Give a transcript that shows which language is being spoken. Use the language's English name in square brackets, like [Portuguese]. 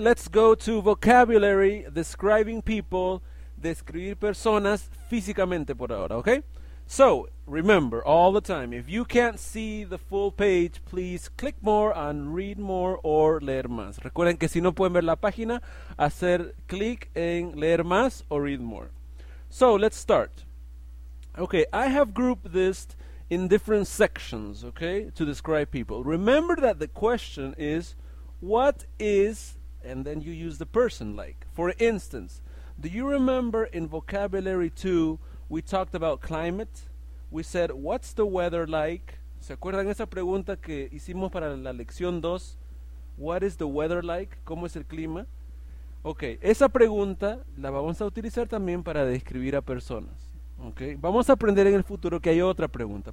[English] Let's go to vocabulary, describing people, [Spanish] describir personas físicamente por ahora. [English] ¿Ok? So, remember all the time, if you can't see the full page, please click more and read more or [Spanish] leer más. Recuerden que si no pueden ver la página, hacer clic en leer más o [English] read more. So, let's start. Okay, I have grouped this in different sections, okay, to describe people. Remember that the question is, what is, and then you use the person like. For instance, do you remember in vocabulary 2, we talked about climate. We said, what's the weather like? [Spanish] ¿Se acuerdan esa pregunta que hicimos para la lección 2? [English] What is the weather like? [Spanish] ¿Cómo es el clima? Okay, esa pregunta la vamos a utilizar también para describir a personas. Okay, vamos a aprender en el futuro que hay otra pregunta.